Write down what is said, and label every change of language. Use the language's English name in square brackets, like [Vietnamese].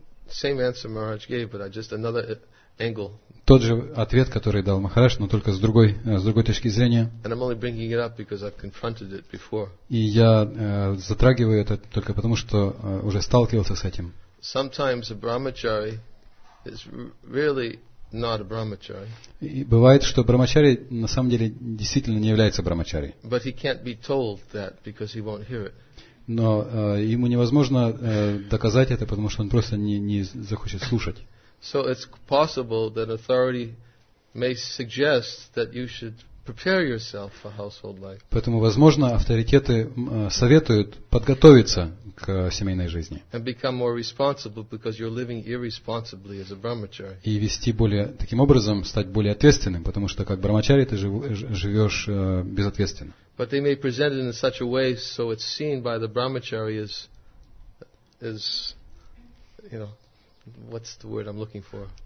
[English] Same answer Maharaj gave, but just another angle. [Russian] Тот же ответ, который дал Махарадж, но только с другой точки зрения. [English] And I'm only bringing it up because I've confronted it before. [Russian] И я затрагиваю это только потому, что уже сталкивался с этим. [English] sometimes a brahmachari is really not a brahmachari. [Russian] И бывает, что брахмачари на самом деле действительно не является брахмачари. [English] But he can't be told that because he won't hear it. [Russian] Но ему невозможно доказать это, потому что он просто не захочет слушать. [English] So it's possible that authority may suggest that you should prepare yourself for household life. [Russian] Поэтому возможно, авторитеты советуют подготовиться к семейной жизни. [English] And become more responsible because you're living irresponsibly as a brahmachari. [Russian] И вести более таким образом стать более ответственным, потому что как брахмачари ты живешь безответственно. [English] But they may present it in such a way so it's seen by the brahmachari as you know, what's the word I'm looking for?